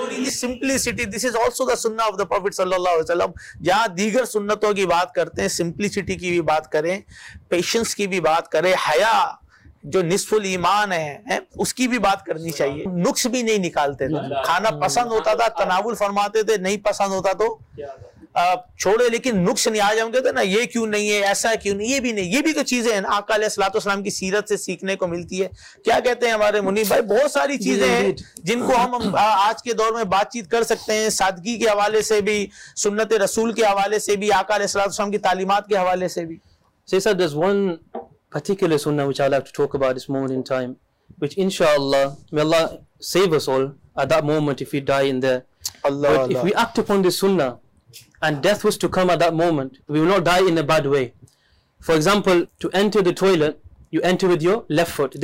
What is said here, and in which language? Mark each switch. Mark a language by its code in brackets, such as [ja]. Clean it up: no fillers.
[en] Simplicity, this is also the سنہ of the prophet صلی اللہ علیہ وسلم. [ur] جہاں دیگر سنتوں کی بات کرتے ہیں, سمپلسٹی کی بھی بات کریں, پیشنس کی بھی بات کریں, حیا جو نصف الایمان ہے اس کی بھی بات کرنی چاہیے. نقص بھی نہیں نکالتے تھے, کھانا پسند ہوتا تھا تناول فرماتے تھے, نہیں پسند ہوتا تو چھوڑے لیکن نقص نہیں آ جاؤں گے تو نا یہ کیوں نہیں ہے, ایسا کیوں نہیں, یہ بھی نہیں, یہ بھی تو چیزیں ہیں نا. آقا علیہ الصلوۃ والسلام کی سیرت سے سیکھنے کو ملتی ہے. کیا کہتے ہیں ہمارے منیب بھائی, بہت ساری چیزیں ہیں جن کو ہم آج کے دور میں بات چیت کر سکتے ہیں, سادگی کے حوالے سے بھی, سنت رسول کے حوالے سے بھی, آقا علیہ الصلوۃ والسلام کی تعلیمات کے حوالے سے بھی. [en] See, sir, there's one particular sunnah which I'd like to talk about this moment in time, which inshallah, may Allah save us all at that moment if we die in there. Allah, but Allah. If we act upon this sunnah and death was to come at that moment, we will not die in a bad way. For example, to enter the toilet, you enter with your left foot.